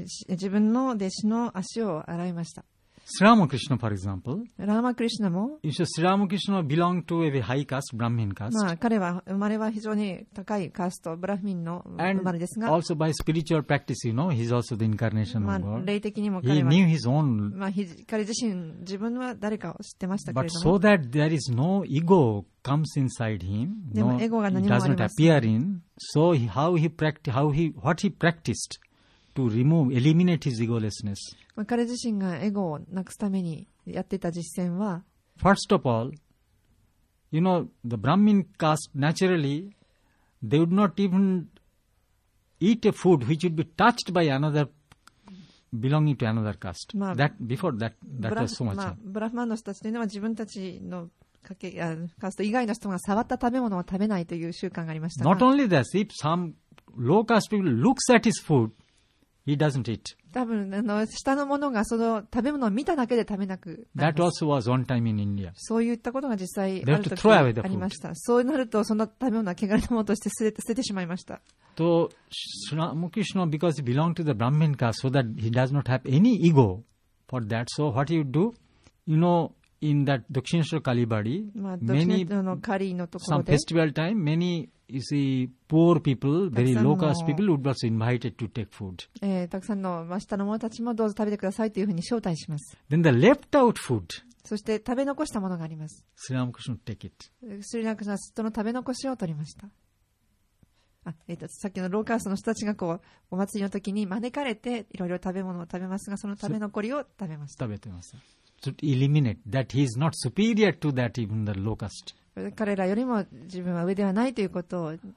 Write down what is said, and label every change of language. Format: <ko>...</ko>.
<ja>自分の弟子の足を洗いました。</ja> <en>Sri Ramakrishna, for example,</en> <ja>Ramakrishna も</ja> <en>you say Sri Ramakrishna belonged to a high caste, Brahmin caste.</en> <ja>まあ彼は生まれは非常に高いカースト、ブラフミンの生まれですが、</ja> <en>And also by spiritual practice, you know, he's also the incarnation of God.</en> <ja>霊的にも彼は、</ja> <en>He knew his own.</en> <ja>まあ彼自身自分は誰かを知ってましたけれども、</ja> <en>But so that there is no ego comes inside him,</en> <ja>でもエゴが何もありません。</ja> <en>He doesn't appear in. So what he practiced. To remove, eliminate his egolessness.</en> <ja>彼自身がエゴをなくすためにやっていた実践は、</ja> <en>First of all, you know, the Brahmin caste naturally, they would not even eat a food which would be touched by another, belonging to another caste. まあ、 that, before that, that was so much.</en> <ja>ブラフマンの人たちというのは自分たちのカースト以外の人が触った食べ物を食べないという習慣がありましたが。</ja> <en>Not only this, if some low caste people looks at his food,He doesn't eat.</en> <ja>多分下の者がその食べ物を見ただけで食べなくなります。</ja> <en>That also was one time in India.</en> <ja>そういったことが実際ある時にありました。そうなるとその食べ物は汚れたものとして捨ててしまいました。</ja> <en>So, Sri Ramakrishna, because he belonged to the Brahmin caste, so that he does not have any ego for that. So what he would do? You know, in that Dakshineshwar Kalibadi, some festival time, many, you see, poor people, very low-caste people would also invited to take food. Then the left-out food.</en> <ja>そして食べ残したものがあります。スリランカ人は</ja> <en>take it。</en> <ja>スリランカ人はその食べ残しを取りました。さっきのローカーストの人たちがこうお祭りの時に招かれていろいろ食べ物を食べますが、その食べ残りを食べました。食べてます。</ja> <en>To eliminate that he is not superior to that even the locust。</en> <ja>彼らよりも自分は上ではないということを。</ja>